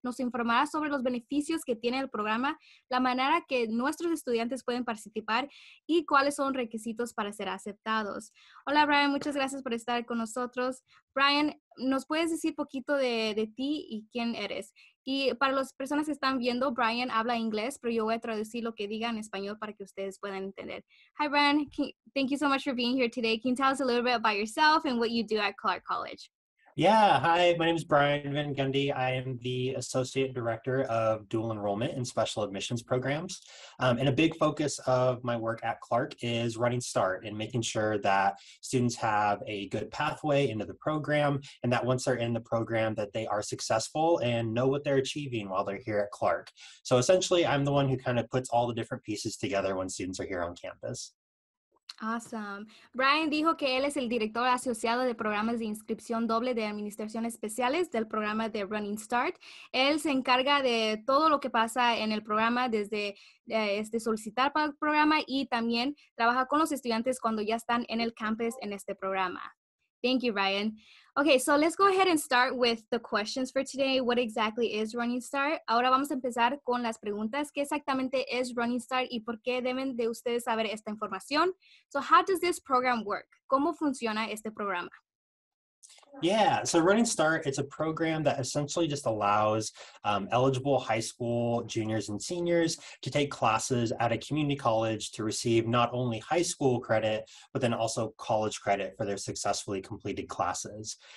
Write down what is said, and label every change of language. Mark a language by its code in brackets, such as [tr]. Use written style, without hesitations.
[es] Nos informará sobre los beneficios que tiene el programa, la manera que nuestros estudiantes pueden participar y cuáles son requisitos para ser aceptados. Hola, Brian. Muchas gracias por estar con nosotros. Brian, ¿nos puedes decir poquito de ti y quién eres? Y para las personas que están viendo, Brian habla inglés, pero yo voy a traducir lo que diga en español para que ustedes puedan entender. [en] Hi, Brian. Thank you so much for being here today. Can you tell us a little bit about yourself and what you do at Clark College? Yeah. Hi, my name is Brian Van Gundy. I am the Associate Director of Dual Enrollment and Special Admissions Programs. And a big focus of my work at Clark is Running Start and making sure that students have a good pathway into the program and that once they're in the program that they are successful and know what they're achieving while they're here at Clark. So essentially, I'm the one who kind of puts all the different pieces together when students are here on campus. Awesome. [es] Brian dijo que él es el director asociado de programas de inscripción doble de administraciones especiales del programa de Running Start. Él se encarga de todo lo que pasa en el programa desde solicitar para el programa y también trabaja con los estudiantes cuando ya están en el campus en este programa. [en] Thank you, Brian. Okay, so let's go ahead and start with the questions for today. What exactly is Running Start? [es] Ahora vamos a empezar con las preguntas. ¿Qué exactamente es Running Start y por qué deben de ustedes saber esta información? [en] So how does this program work? [es] ¿Cómo funciona este programa? [en] Yeah, so Running Start, it's a program that essentially just allows eligible high school juniors and seniors to take classes at a community college to receive not only high school credit, but then also college credit for their successfully completed classes.